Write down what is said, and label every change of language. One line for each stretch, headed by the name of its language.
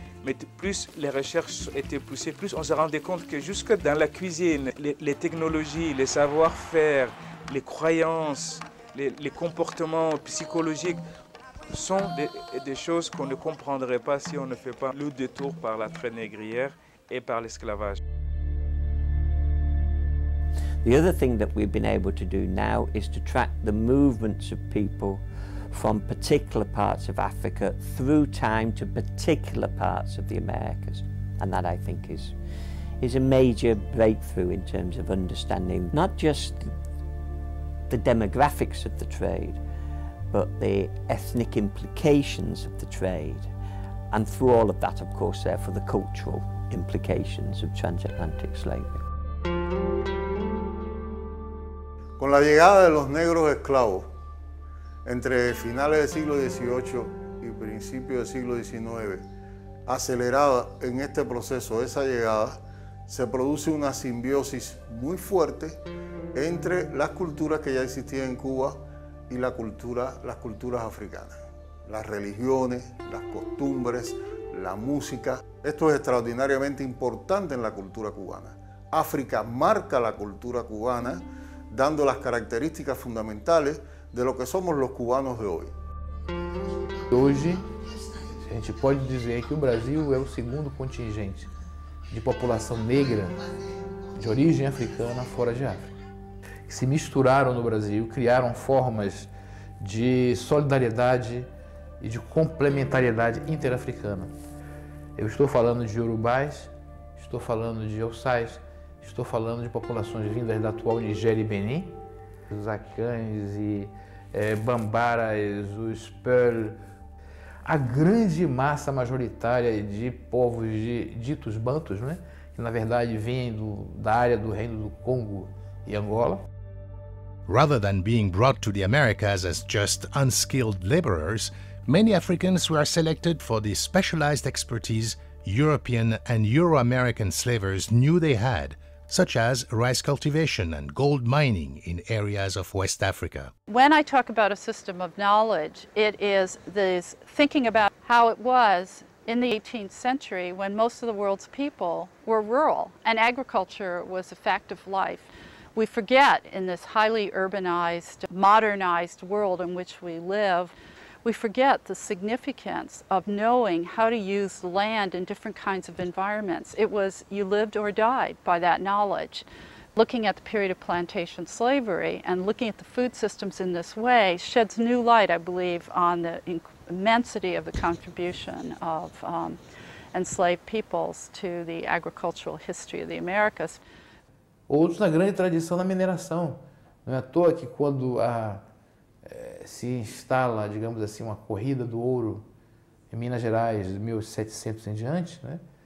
French: Mais plus les recherches étaient poussées, plus on se rendait compte que jusque dans la cuisine, les technologies, les savoir-faire, les croyances, les comportements psychologiques sont des choses qu'on ne comprendrait pas si on ne fait pas le détour par la traite négrière et par l'esclavage.
English: The other thing that we've been able to do now is to track the movements of people from particular parts of Africa through time to particular parts of the Americas. And that, I think, is a major breakthrough in terms of understanding not just the demographics of the trade, but the ethnic implications of the trade. And through all of that, of course, therefore, the cultural implications of transatlantic slavery.
Spanish: Con la llegada de los negros esclavos, entre finales del siglo XVIII y principios del siglo XIX, acelerada en este proceso de esa llegada, se produce una simbiosis muy fuerte entre las culturas que ya existían en Cuba y las culturas africanas. Las religiones, las costumbres, la música. Esto es extraordinariamente importante en la cultura cubana. África marca la cultura cubana dando las características fundamentales de lo que somos los cubanos de hoy.
Portuguese: Hoy, a gente pode dizer que o Brasil é o segundo contingente de população negra de origem africana fora de África. Se misturaram no Brasil, criaram formas de solidariedade e de complementariedade interafricana. Eu estou falando de iorubás, estou falando de oxais, estou falando de populações vindas da atual Nigéria e Benin, os akans e bambaras, os peul, a grande massa majoritária de povos de ditos bantos, né? Que na verdade vêm da área do Reino do Congo e Angola.
English: Rather than being brought to the Americas as just unskilled laborers, many Africans were selected for the specialized expertise European and Euro-American slavers knew they had, such as rice cultivation and gold mining in areas of West Africa. When I talk about a system of knowledge, it is this thinking about how it was in the 18th century when most of the world's people were rural and agriculture was a fact of life. We forget in this highly urbanized, modernized world in which we live, we forget the significance of knowing how to use land in different kinds of environments. It was you lived or died by that knowledge. Looking at the period of plantation slavery and looking at the food systems in this way sheds new light, I believe, on the immensity of the contribution of enslaved peoples to the agricultural history of the Americas.
Portuguese: Outros na grande tradição da mineração. Não é à toa que quando a se instala, digamos assim, uma corrida do ouro em Minas Gerais, de 1700 em diante, né?